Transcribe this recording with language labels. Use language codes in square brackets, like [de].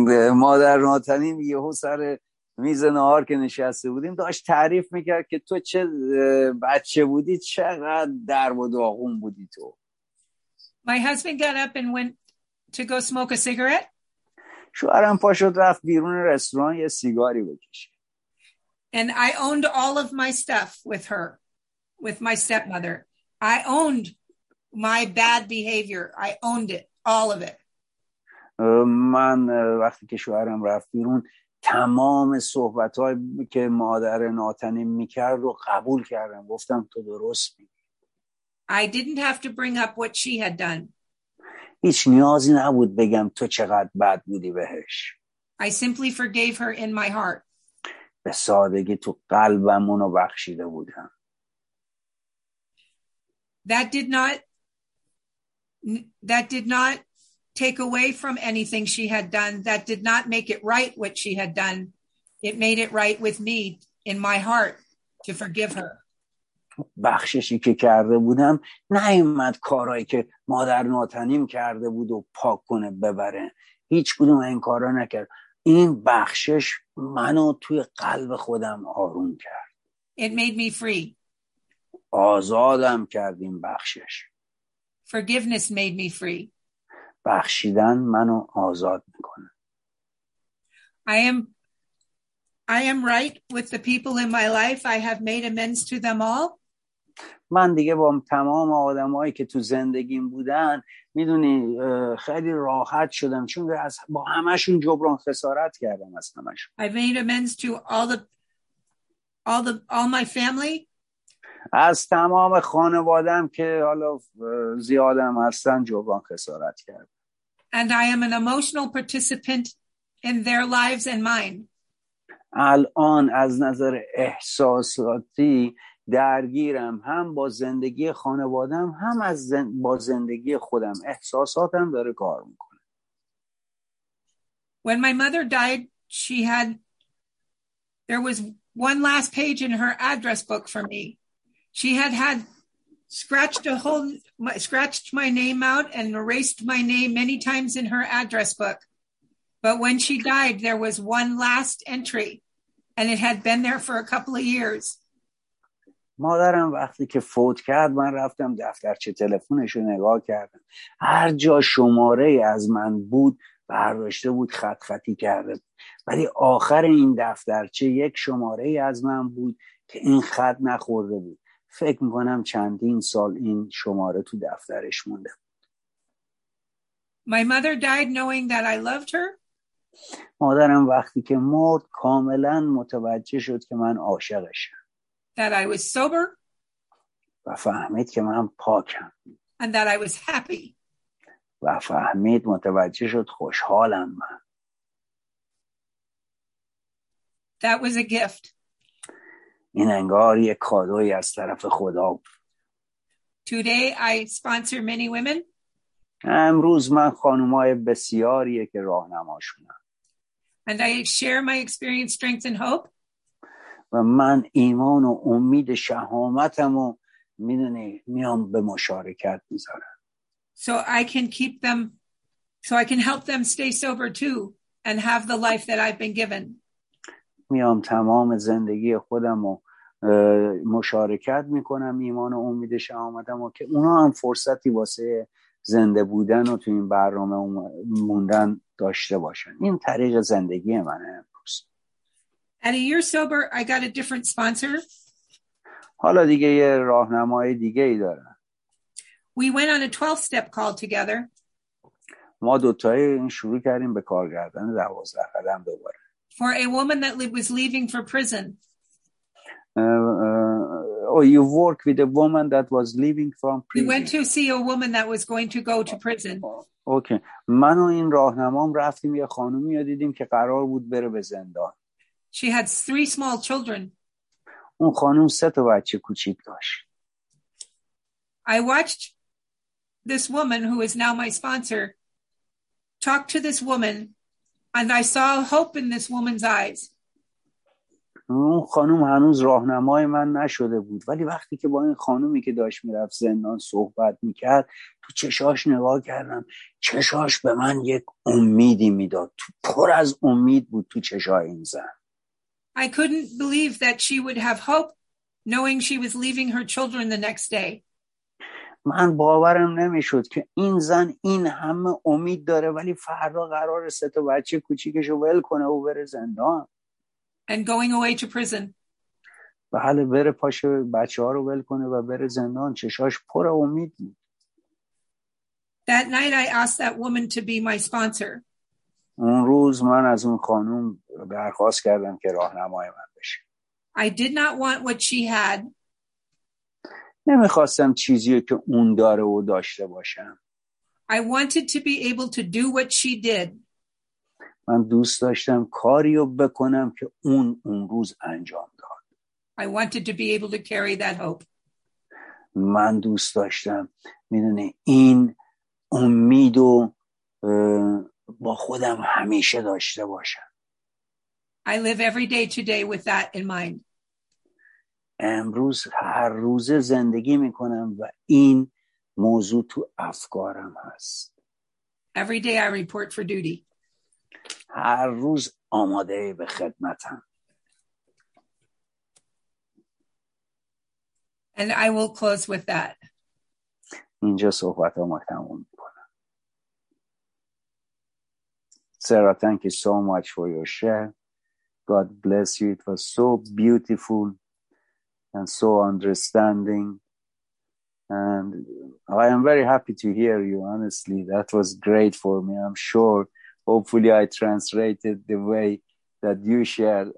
[fa] مادر ناتنیم یهو سر میز نهار که نشسته بودیم داشت تعریف میکرد که تو چه بچه بودی چقدر درب و داغون بودی تو. [en] My husband got up and went to go smoke a cigarette. [fa] شوهرم پاشد رفت بیرون رستوران یه سیگاری بکشه. [en] And I owned all of my stuff with her, with my stepmother. I owned my bad behavior. I owned it, all of it. [fa] من وقتی که شوهرم رفت بیرون تمام صحبتهای که مادر ناتنیم میکرد رو قبول کردم گفتم تو درست میگی. [en] I didn't have to bring up what she had done. [fa] هیچ نیازی نبود بگم تو چقدر بد بودی بهش. [en] I simply forgave her in my heart. [fa] به سادگی تو قلبم اونو بخشیده بودم. [en] That did not take away from anything she had done. That did not make it right what she had done. It made it right with me in my heart to forgive her. [fa] بخششی که کرده بودم نیومد کارهایی که مادر ناتنیم کرده بود و پاک کنه ببره. هیچ کدوم این کارا نکرد. این بخشش منو توی قلب خودم آروم کرد. [en] It made me free. [fa] آزادم کرد این بخشش. [en] Forgiveness made me free. [fa] بخشیدن منو آزاد میکنه. [en] I am right with the people in my life. I have made amends to them all. [fa] من دیگه با تمام آدمایی که تو زندگیم بودن میدونی خیلی راحت شدم چون از با همشون جبران خسارت کردم از همشون. [en] I made amends to all my family. [fa] از تمام خانواده‌ام که حالا زیادم هستن جبران خسارت کردم. [en] And I am an emotional participant in their lives and mine. [fa] الان از نظر احساساتی درگیرم هم با زندگی خانوادم هم از با زندگی خودم. احساساتم داره کار میکنه. [en] When my mother died, she had there was one last page in her address book for me. She had scratched my name out and erased my name many times in her address book. But when she died, there was one last entry, and it had been there for a couple of years. [fa] مادرم وقتی که فوت کرد من رفتم دفترچه تلفنش رو نگاه کردم. هر جا شماره از من بود برداشته بود خط خطی کرده. ولی آخر این دفترچه یک شماره از من بود که این خط نخورده بود. فکر میکنم چندین سال این شماره تو دفترش مونده. [en] My mother died knowing that I loved her. [fa] مادرم وقتی که مرد کاملا متوجه شد که من عاشقشم. [en] That I was sober. [fa] و فهمید که من پاکم. [en] And that I was happy. [fa] و فهمید متوجه شد خوشحالم من. [en] That was a gift. [fa] این انگار یه کادویی از طرف خدا. [en] Today I sponsor many women. [fa] امروز من خانومای بسیاریه که راهنماشونم. [en] And I share my experience, strength and hope. [fa] و من ایمان و امید شهامتم و میدونی میام به مشارکت میذارم. [en] So I can keep them, so I can help them stay sober too and have the life that I've been given. [fa] میام تمام زندگی خودم و مشارکت میکنم ایمان و امید شهامتم و که اونا هم فرصتی واسه زنده بودن و تو این برنامه موندن داشته باشن. این طریق زندگی منه. [en] At a year sober, I got a different sponsor. [fa] حالا دیگه یه راهنمای دیگه ای دارم. [en] We went on a 12-step call together. [fa] ما دوتایی شروع کردیم به کار کردن 12 قدم دوباره. [en] For a woman that was leaving for prison. You work with a woman that was leaving from prison. We went to see a woman that was going to go to prison. Okay. [fa] من و این راهنمام رفتیم یه خانومی رو دیدیم که قرار بود بره به زندان. [en] She had 3 small children. [fa] اون خانم 3 تا بچه کوچیک داشت. [en] I watched this woman who is now my sponsor talk to this woman and I saw hope in this woman's eyes. [fa] اون خانم هنوز راهنمای من نشده بود ولی وقتی که با این خانومی که داشت میرفت زندان صحبت میکرد تو چشاش نگاه کردم چشاش به من یک امیدی میداد. تو پر از امید بود تو چشای این زن. [en] I couldn't believe that she would have hope knowing she was leaving her children the next day. [fa] من باورم نمیشد که این زن این همه امید داره ولی فردا قرار سه تا بچه کوچیکش رو ول کنه و بره زندان. [en] And going away to prison. [fa] بله بره پاشه بچه‌ها رو ول کنه و بره زندان. چشاش پر امید بود. [en] That night I asked that woman to be my sponsor. [fa] اون روز من از اون خانوم درخواست کردم که راهنمای من بشه. [en] I did not want what she had. [fa] نمیخواستم چیزی که اون داره و داشته باشم. [en] I wanted to be able to do what she did. [fa] من دوست داشتم کاری رو بکنم که اون اون روز انجام داد. [en] I wanted to be able to carry that hope. [fa] من دوست داشتم میدونه این امید رو با خودم همیشه داشته باشم. [en] I live every day today with that in mind. [fa] امروز هر روز زندگی میکنم و این موضوع تو افکارم هست. [en] Every day I report for duty. [fa] هر روز آماده به خدمتم. [en] And I will close with that. [fa] اینجا صحبتامو تموم میکنم. [en] Sarah, thank you so much for your share. God bless you. It was so beautiful. And so understanding. And I am very happy to hear you, honestly. That was great for me, I'm sure. Hopefully I translated the way that you shared.